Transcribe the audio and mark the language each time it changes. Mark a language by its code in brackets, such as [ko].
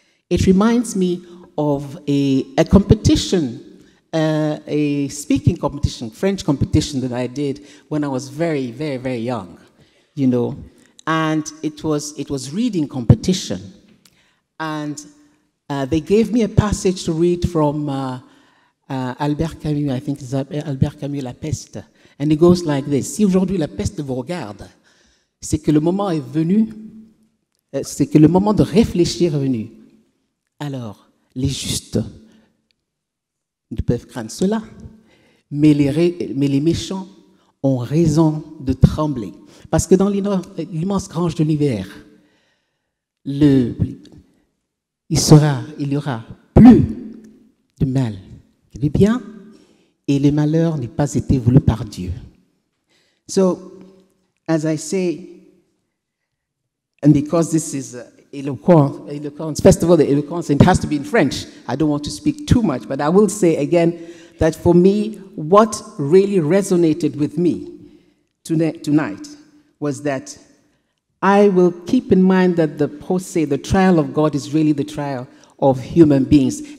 [en] It reminds me of a competition, a speaking competition, French competition that I did when I was very, very, very young, you know. And it was reading competition. And they gave me a passage to read from Albert Camus, I think it's Albert Camus, La Peste. And it goes like this. [fr] Si aujourd'hui la peste vous regarde, c'est que le moment est venu, c'est que le moment de réfléchir est venu. Alors, les justes ne peuvent craindre cela, mais les méchants ont raison de trembler. Parce que dans l'immense grange de l'univers, il y aura plus de mal que de bien, et le malheur n'est pas été voulu par Dieu. [en] So, as I say, and because this is eloquence, first of all, the eloquence, it has to be in French. I don't want to speak too much, but I will say again that for me, what really resonated with me tonight was that I will keep in mind that the process, the trial of God is really the trial of human beings.